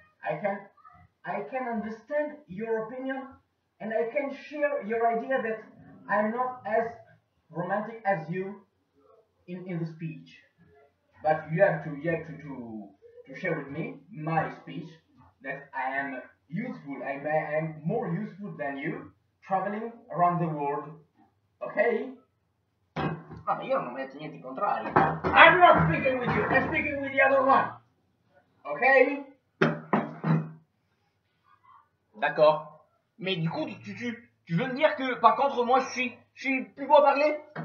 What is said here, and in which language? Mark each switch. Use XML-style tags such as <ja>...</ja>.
<en>I can understand your opinion and I can share your idea that I'm not as romantic as you in the speech. But you have to share with me my speech that I am useful, I am more useful than you traveling around the world. Okay?</en> <it>Vabbè, io non metto niente in contrario.</it> <en>I'm not speaking with you, I'm speaking with the other one. Okay?</en> <fr>D'accord. Mais du coup, tu veux me dire que, par contre, moi, je suis plus beau à parler?</fr>